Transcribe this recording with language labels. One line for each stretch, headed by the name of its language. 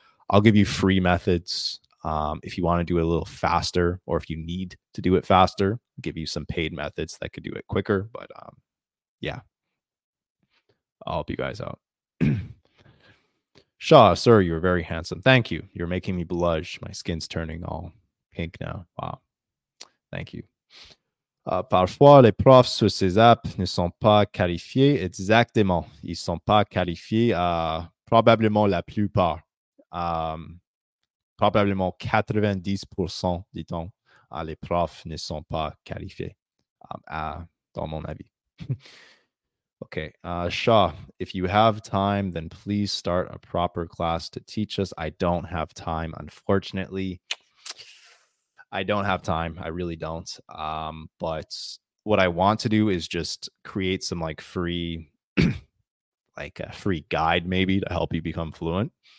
English: I'll give you free methods. If you want to do it a little faster, or if you need to do it faster, give you some paid methods that could do it quicker. But yeah, I'll help you guys out. Shaw, sir, you're very handsome. Thank you. You're making me blush. My skin's turning all pink now. Wow. Thank you.
French: Parfois, les profs sur ces apps ne sont pas qualifiés. Exactement. Ils sont pas qualifiés. Probablement la plupart. Probablement 90%, dit-on, les profs ne sont pas qualifiés, dans mon avis.
English: Okay. Shaw, if you have time, then please start a proper class to teach us. I don't have time, unfortunately. I don't have time. I really don't. But what I want to do is just create some like free, like a free guide maybe to help you become fluent.